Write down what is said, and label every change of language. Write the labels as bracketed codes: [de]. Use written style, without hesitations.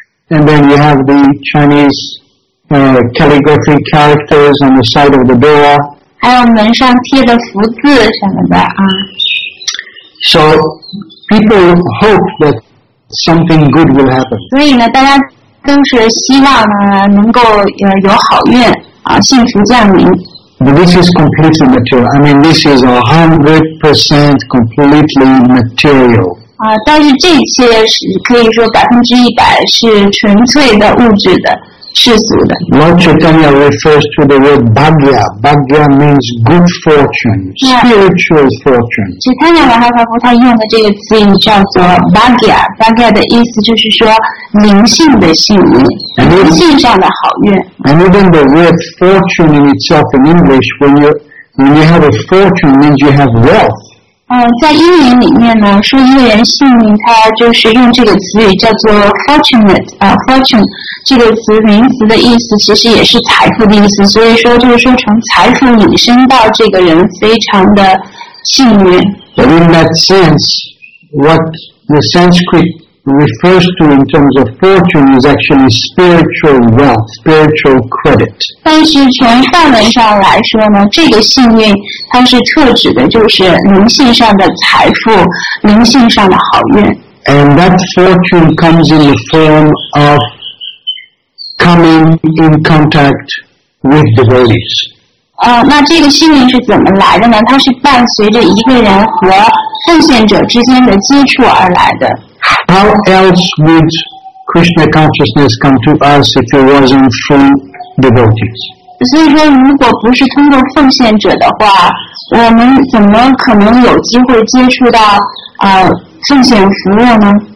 [en] And then you have the Chinese calligraphy characters on the side of the door. [zh] 还有门上贴的福字什么的啊。 [en] So people hope that something good will happen. [zh] 所以呢，大家都是希望呢能够有好运啊，幸福降临。 [en] But this is completely material. I mean, this is 100% completely material. [zh] 啊，但是这些是可以说100%是纯粹的物质的。 [en] Lord Chaitanya refers to the word bhagya. Bhagya means good fortune, spiritual fortune. [zh] Chaitanya Mahaprabhu 他用的这个词语叫做 bhagya. Bhagya 的意思就是说灵性的幸运，灵性上的好运。 [en] And even the word fortune in itself in English, when you have a fortune, means you have wealth. [zh] 在英语里面呢，说一个人幸运，他就是用这个词语叫做 fortunate, fortune. 这个词名词的意思其实也是财富的意思，所以说就是说从财富引申到这个人非常的幸运。 [en] But in that sense, what the Sanskrit refers to in terms of fortune is actually spiritual wealth, spiritual credit. [zh] 但是从范文上来说呢，这个幸运它是特指的就是灵性上的财富，灵性上的好运。 [en] And that fortune comes in the form of. Coming in contact with the devotees. [zh] 那这个幸运是怎么来的呢？它是伴随着一个人和奉献者之间的接触而来的。 [en] How else would Krishna consciousness come to us if it wasn't from devotees? [zh] 所以说，如果不是通过奉献者的话，我们怎么可能有机会接触到奉献服务呢？